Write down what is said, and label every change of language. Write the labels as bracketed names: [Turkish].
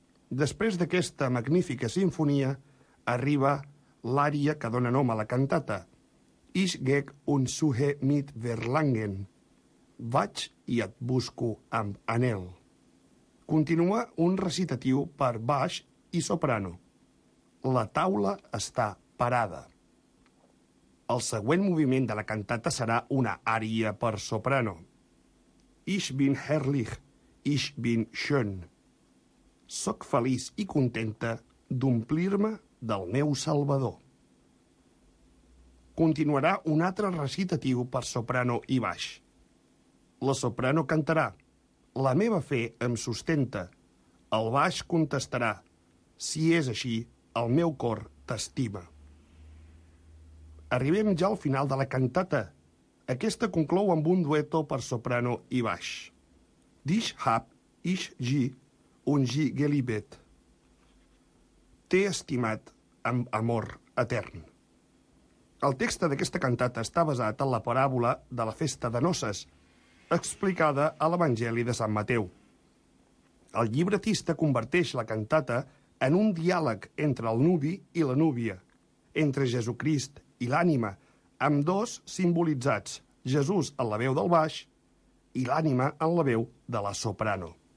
[Catalan] Després d'aquesta magnífica sinfonia, arriba l'ària que dona nom a la cantata, [German] Ich geh und suche mit Verlangen, [Catalan] Vaig i et busco amb anhel. Continua un recitatiu per baix i soprano. La taula està parada. El següent moviment de la cantata serà una ària per soprano. [German] Ich bin herrlich, ich bin schön. [Catalan] Soc feliç i contenta d'omplir-me del meu Salvador. Continuarà un altre recitatiu per soprano i baix. La soprano cantarà: la meva fe em sustenta. El baix contestarà: si és així, el meu cor t'estima. Arribem ja al final de la cantata. Aquesta conclou amb un dueto per soprano i baix. [German] Dich hab ich je und je geliebt. [Catalan] T'he estimat amb amor etern. El text d'aquesta cantata està basat en la paràbola de la festa de noces, explicada a l'Evangeli de Sant Mateu. El llibretista converteix la cantata en un diàleg entre el nuvi i la núvia, entre Jesucrist i l'ànima, amb dos simbolitzats, Jesús en la veu del baix i l'ànima en la veu de la soprano.